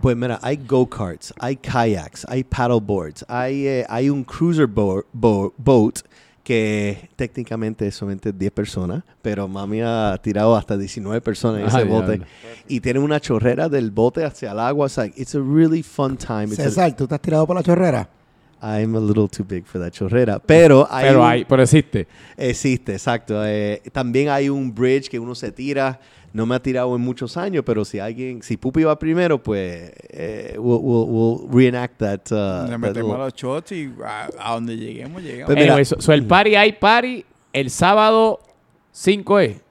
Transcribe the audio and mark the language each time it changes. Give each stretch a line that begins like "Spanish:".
Spanish: Pues mira, hay go-karts, hay kayaks, hay paddleboards, hay un cruiser boat que técnicamente es solamente 10 personas, pero mami ha tirado hasta 19 personas en ese bote. Y tiene una chorrera del bote hacia el agua.
English: It's like, it's a really fun time.
Spanish: César, ¿tú te has tirado por la chorrera?
English: I'm a little too big for that chorrera.
Spanish: Pero hay... Pero existe. Existe, exacto. También hay un bridge que uno se tira. No me ha tirado en muchos años, pero si Pupi va primero, pues
English: we'll reenact that.
Spanish: Le metemos a los shots y a donde lleguemos. Anyway, so el party, hay party el sábado 5, ¿eh?